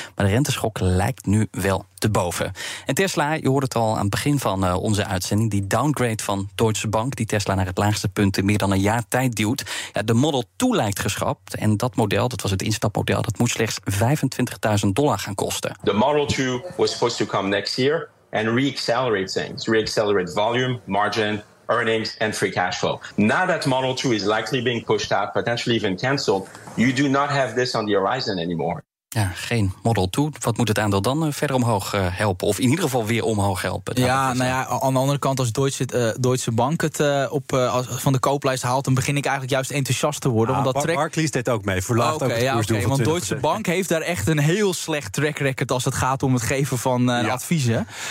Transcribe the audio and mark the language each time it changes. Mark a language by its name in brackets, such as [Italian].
[Dutch] Maar de renteschok lijkt nu wel te boven. En Tesla, je hoorde het al aan het begin van onze uitzending, die downgrade van Deutsche Bank, die Tesla naar het laagste punt in meer dan een jaar tijd duwt. Ja, de Model 2 lijkt geschrapt. En dat model, dat was het instapmodel, dat moet slechts $25.000 gaan kosten. [English] The Model 2 was supposed to come next year. And re-accelerate things, re-accelerate volume, margin, earnings, and free cash flow. Now that Model 2 is likely being pushed out, potentially even canceled, you do not have this on the horizon anymore. [Dutch] Ja, geen Model 2. Wat moet het aandeel dan verder omhoog helpen? Of in ieder geval weer omhoog helpen? Ja, aan de andere kant, als Deutsche Bank het van de kooplijst haalt, dan begin ik eigenlijk juist enthousiast te worden. Barclays deed ook mee, verlaagt ook het koersdoel. Want Deutsche Bank heeft daar echt een heel slecht track record als het gaat om het geven van adviezen.